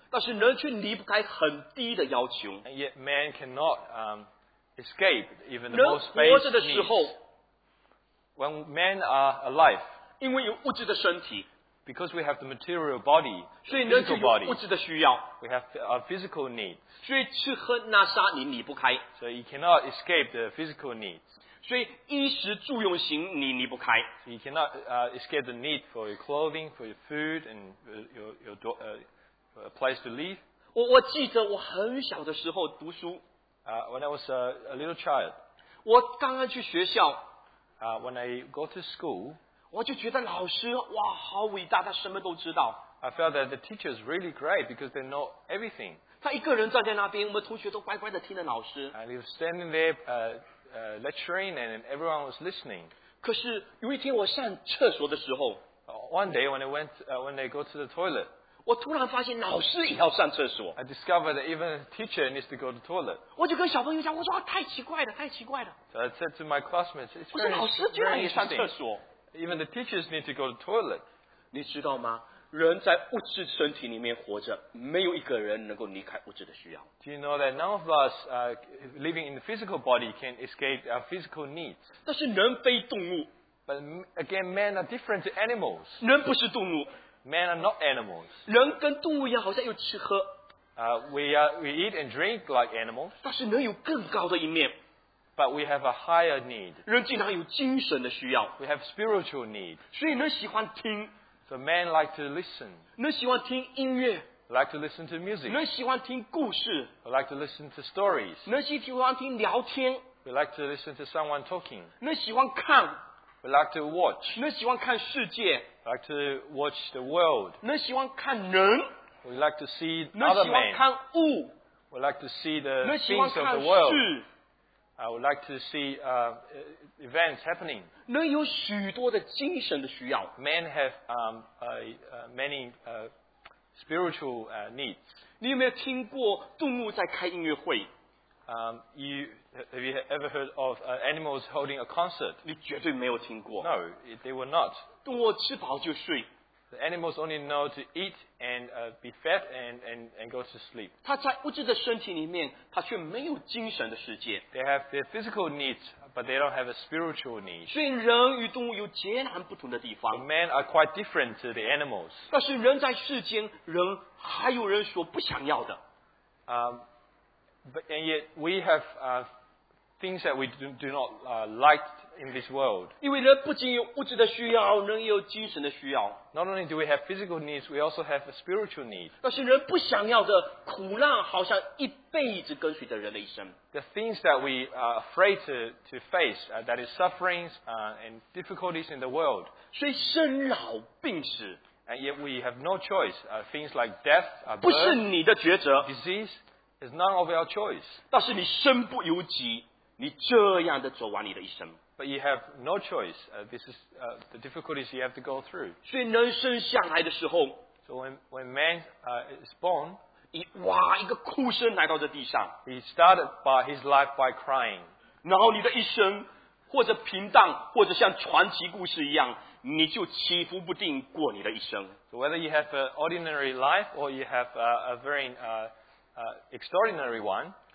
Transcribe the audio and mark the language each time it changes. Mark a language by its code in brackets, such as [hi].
[zh] 但是人却离不开很低的要求， [en] and yet man cannot escape even the most basic needs. [zh] 人活着的时候， [en] When men are alive, [zh] 因为有物质的身体。 [en] Because we have the material body, the physical body, we have a physical need. [zh] 所以吃喝那杀你离不开。 [en] So you cannot escape the physical needs. [zh] 所以衣食住用行你离不开。 [en] So you cannot escape the need for your clothing, for your food, and your place to live. [zh] 我记得我很小的时候读书。 [en] When I was a little child. [zh] 我刚刚去学校。 [en] When I go to school. [zh] 我就觉得老师哇好伟大，他什么都知道。 [en] I felt that the teacher is really great because they know everything. [zh] 他一个人站在那边，我们同学都乖乖的听着老师。 [en] And he was standing there, lecturing, and everyone was listening. [zh] 可是有一天我上厕所的时候 [en] ，One day when I went, when they go to the toilet, [zh] 我突然发现老师也要上厕所。 [en] I discovered that even the teacher needs to go to the toilet. [zh] 我就跟小朋友讲，我说、啊、太奇怪了，太奇怪了。 [en] So I said to my classmates, it's very interesting. [zh] 我说老师居然也上厕所。 [en] Even the teachers need to go to the toilet. [zh] 你知道吗？人在物质身体里面活着，没有一个人能够离开物质的需要。 [en] Do you know that none of us living in the physical body can escape our physical needs? [zh] 但是人非动物。 [en] But again, men are different to animals. [zh] 人不是动物。 [en] Men are not animals. [zh] 人跟动物一样，好像又吃喝。 [en] We eat and drink like animals. [zh] 但是人有更高的一面。 [en] But we have a higher need. [zh] 人经常有精神的需要。 [en] We have spiritual need. [zh] 所以人喜欢听。 [en] So men like to listen. [zh] 人喜欢听音乐。 [en] Like to listen to music. [zh] 人喜欢听故事。 [en] Like to listen to stories. [zh] 人喜欢听聊天。 [en] We like to listen to someone talking. [zh] 人喜欢看。 [en] We like to watch. [zh] 人喜欢看世界。 [en] We like to watch the world. [zh] 人喜欢看人。 [en] We like to see other men. [zh] 人喜欢看物。 [en] We like to see the things of the world. I would like to see events happening. [zh] 人有许多的精神的需要。 [en] Men have many spiritual needs. [zh] 你有没有听过动物在开音乐会？ [en] Have you ever heard of animals holding a concert? [zh] 你绝对没有听过。 [en] No, they were not. [zh] 动物吃饱就睡。 [en] The animals only know to eat and be fed and go to sleep. [zh] 他在物质的身体里面，他却没有精神的世界。 [en] They have their physical needs, but they don't have a spiritual need. [zh] 所以人与动物有截然不同的地方。 [en] So men are quite different to the animals. [zh] 但是人在世间，人还有人所不想要的。 [en] But and yet we have things that we do not like. In this world. [zh] 因为人不仅有物质的需要，人也有精神的需要。 [en] Not only do we have physical needs, we also have a spiritual need. [zh] 但是人不想要的苦难，好像一辈子跟随着人的一生。 [en] The things that we are afraid to face, that is sufferings and difficulties in the world. [zh] 所以生老病死。 [en] And yet we have no choice. Things like death, birth, [zh] 不是你的抉择。 [en] Disease is none of our choice. [zh] 但是你身不由己，你这样的走完你的一生。 [en] But you have no choice. This is the difficulties you have to go through. [zh] 所以人生下来的时候 [en] So when man is born, [zh] 哇一个哭声来到这地上 [en] He started his life by crying. [zh] 然后你的一生或者平淡或者像传奇故事一样你就起伏不定过你的一生 [en] So whether you have an ordinary life or you have a very extraordinary one,